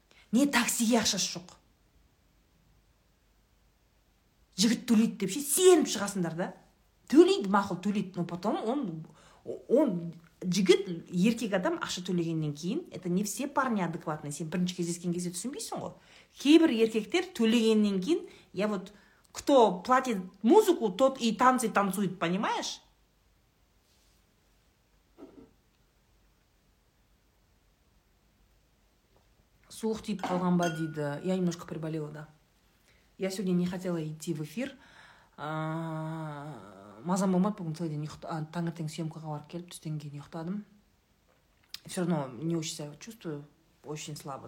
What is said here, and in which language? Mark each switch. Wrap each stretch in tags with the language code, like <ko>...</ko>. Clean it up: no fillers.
<kk>Не таксиге ақшасы жоқ. Жігіт төлейді деп ше, сеніп шығасыңдар, да? Төлейді, мақұл төлейді,</kk> <ru>но потом</ru> <kk>он жігіт, еркек адам ақша төлегеннен кейін,</kk> <ru>это не все парни адекватны,</ru> <kk>сен бірінші кездескен кезде түсінбейсің ғой. Кейбір еркектер төлегеннен кейін,</kk> <ru>я вот кто платит музыку, тот и танцы танцует, понимаешь?</ru> <kk>Суық тиіп қалған ба дейді.</kk> <ru>Я немножко приболела, да. Я сегодня не хотела идти в эфир.</ru> <kk>Мазам болмады, бүгін</kk> <ru>целый день</ru> <kk>ұйықтадым. Таңертең съемкаға барып келіп, түстен кейін ұйықтадым.</kk> <ru>Все равно не очень себя чувствую, очень слабо.</ru>